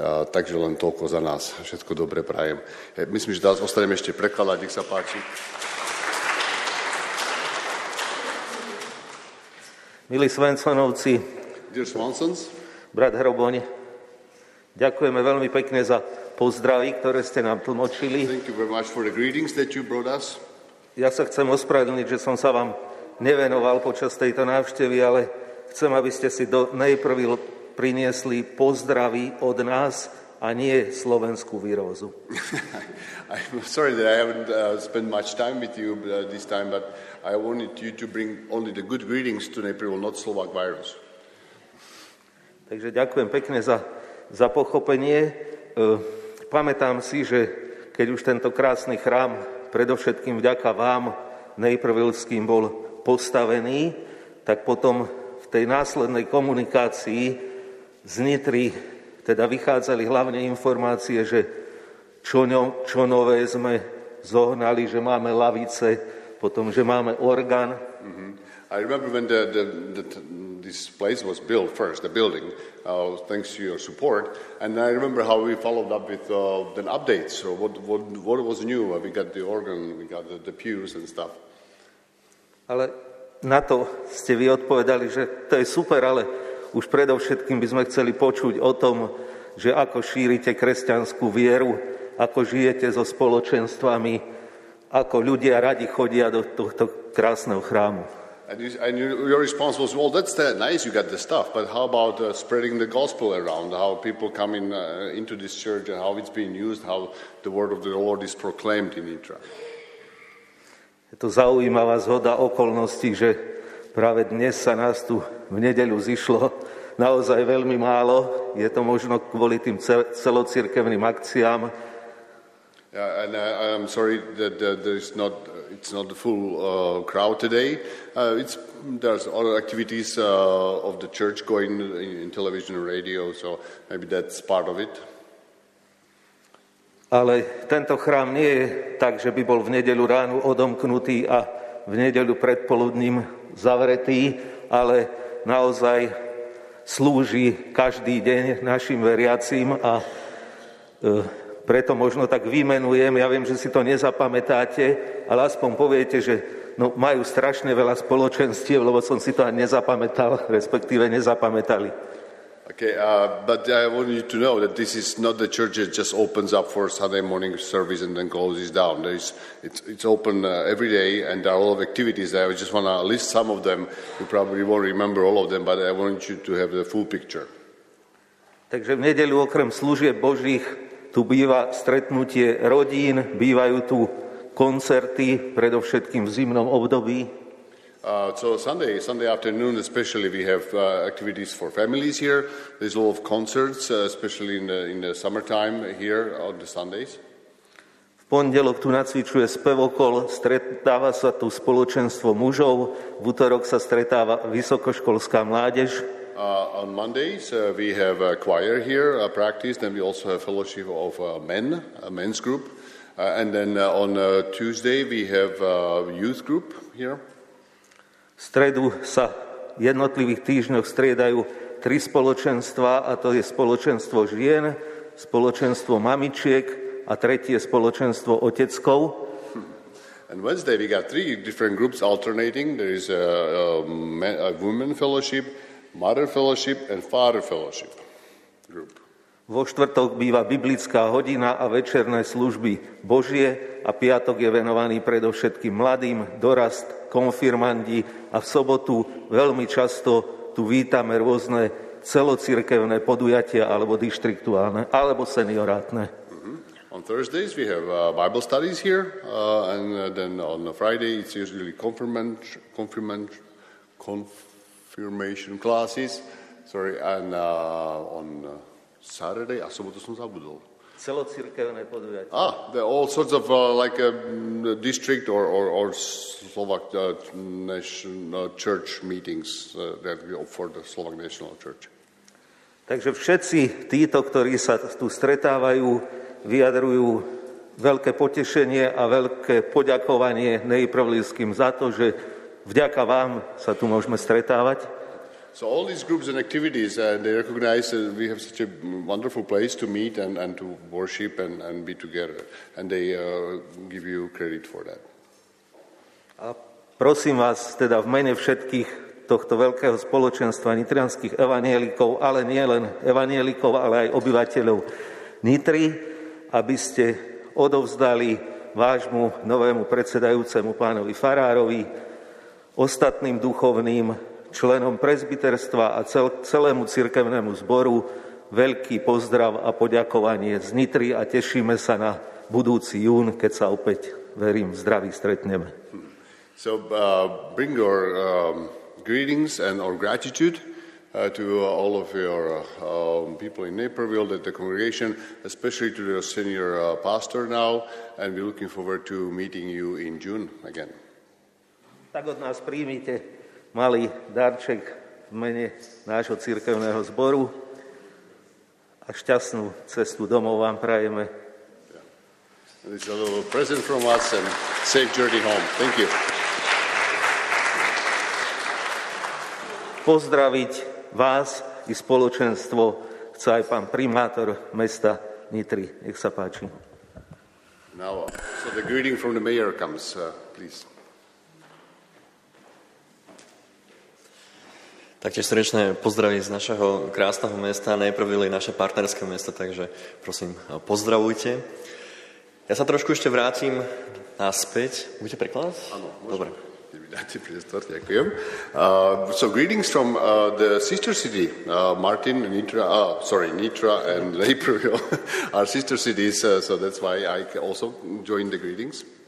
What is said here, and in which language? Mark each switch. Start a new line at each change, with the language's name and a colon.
Slovak: Takže len toľko za nás. Všetko dobre prajem. Myslím, že teraz ostaneme ešte prekladať, nech sa páči. Milí Svensonovci,
English: dear Swansons,
Slovak: brat Hroboň, ďakujeme veľmi pekne za pozdravy, ktoré ste nám tlmočili.
English: Thank you very much for the greetings that you brought us.
Slovak: Ja sa chcem ospravedlniť, že som sa vám nevenoval počas tejto návštevy, ale chcem, aby ste si do Naperville priniesli pozdravy od nás a nie slovenskú výrozu.
English: I'm sorry that I haven't spent much time with you this time, but I wanted you to bring only the good greetings to Naperville, not Slovak virus.
Slovak: Takže ďakujem pekne za pochopenie. Pamätám si, že keď už tento krásny chrám predovšetkým vďaka vám, Naperville-ským, bol postavený, tak potom v tej následnej komunikácii z Nitry teda vychádzali hlavne informácie, že čo nové sme zohnali, že máme lavice, potom že máme orgán. Mm-hmm.
English: I remember when this place was built first, the building, thanks to your support, and I remember how we followed up with the updates, so what was new, we got the organ, we got the pews and stuff.
Slovak: Ale na to ste vy odpovedali, že to je super, ale už predovšetkým by sme chceli počuť o tom, že ako šírite kresťanskú vieru, ako žijete so spoločenstvami, ako ľudia radi chodia do tohto krásneho chrámu.
English: And your response was, well, that's nice, you got the stuff, but how about spreading the gospel around, how people come in into this church, and how it's being used, how the word of the Lord is proclaimed in Nitra.
Slovak: Je to zaujímavá zhoda okolností, že práve dnes sa nás tu v nedeľu zišlo naozaj veľmi málo. Je to možno kvôli tým celocirkevným akciám.
English: Yeah, and I'm sorry that it's not the full crowd today. There's other activities of the church going in television and radio, so maybe that's part of it.
Slovak: Ale tento chrám nie je tak, že by bol v nedeľu ráno odomknutý a v nedeľu predpoludním zavretý, ale naozaj slúži každý deň našim veriacím a preto možno tak vymenujem, ja viem, že si to nezapamätáte, ale aspoň poviete, že no, majú strašne veľa spoločenstiev, lebo som si to ani nezapamätal, respektíve nezapamätali.
English: Okay, but I want you to know that this is not the church that just opens up for Sunday morning service and then closes down. It's open every day and there are a lot of activities there. I just want to list some of them. You probably won't remember all of them, but I want you to have the full picture.
Slovak: Takže v nedeľu okrem služieb Božích tu býva stretnutie rodín, bývajú tu koncerty, predovšetkým v zimnom období.
English: So Sunday afternoon especially we have activities for families here. There's a lot of concerts especially in the summertime here on the Sundays.
Slovak: V pondelok tu nacvičuje spevokol, stretáva sa tu spoločenstvo mužov, v utorok sa stretáva vysokoškolská mládež.
English: On Mondays we have a choir here, a practice, then we also have fellowship of men, a men's group. And then on Tuesday we have a youth group here.
Slovak: V stredu sa jednotlivých týždňoch striedajú tri spoločenstva, a to je spoločenstvo žien, spoločenstvo mamičiek a tretie spoločenstvo oteckov.
English: And Wednesday we got three different groups alternating. There is a women fellowship, mother fellowship and father fellowship group.
Slovak: Vo štvrtok býva biblická hodina a večerné služby Božie a piatok je venovaný predovšetkým mladým, dorast, konfirmandi a v sobotu veľmi často tu vítame rôzne celocirkevné podujatia alebo dištriktuálne alebo seniorátne. Mm-hmm.
English: On Thursdays we have Bible studies here and then on Friday it's usually confirmation classes. Sorry, and on Saturday,
Slovak: a sobotu som zabudol. Celocirkevné podujatie.
English: Ah, there are all sorts of like a district or Slovak national church meetings that we offer the Slovak National Church.
Slovak: Takže všetci títo, ktorí sa tu stretávajú, vyjadrujú veľké potešenie a veľké poďakovanie nejprvlískym za to, že vďaka vám sa tu môžeme stretávať.
English: So all these groups and activities, they recognize that we have such a wonderful place to meet and to worship and be together. And they give you credit for that.
Slovak: A prosím vás, teda v mene všetkých tohto veľkého spoločenstva nitrianskych evanjelikov, ale nie len evanjelikov, ale aj obyvateľov Nitry, aby ste odovzdali vášmu novému predsedajúcemu pánovi farárovi, ostatným duchovným, členom presbyterstva a celému cirkevnému zboru veľký pozdrav a poďakovanie z Nitry a tešíme sa na budúci jún, keď sa opäť, verím, v zdraví stretneme.
English: So bring your greetings and our gratitude to all of your people in Naperville, that the congregation, especially to your senior pastor now, and we're looking forward to meeting you in June again.
Slovak: Tak od nás príjmite malý darček v mene nášho cirkevného zboru. a šťastnú cestu domov vám prajeme.
English: And it's a little present from us and safe journey home. Thank you.
Slovak: Pozdraviť vás i spoločenstvo chce aj pán primátor mesta Nitry. Nech sa páči.
English: Now, so the greeting from the mayor comes, please.
Slovak: Taktiež srdečné pozdravy z našeho krásneho mesta, najprv je naše partnerské mesto, takže prosím, pozdravujte. Ja sa trošku ešte vrátim naspäť. Budete prekladať? Áno, dobre. Dáte priestor, ďakujem.
English: So greetings from the sister city, Martin, Nitra, Nitra and Naperville, our sister cities, so that's why I also join the greetings.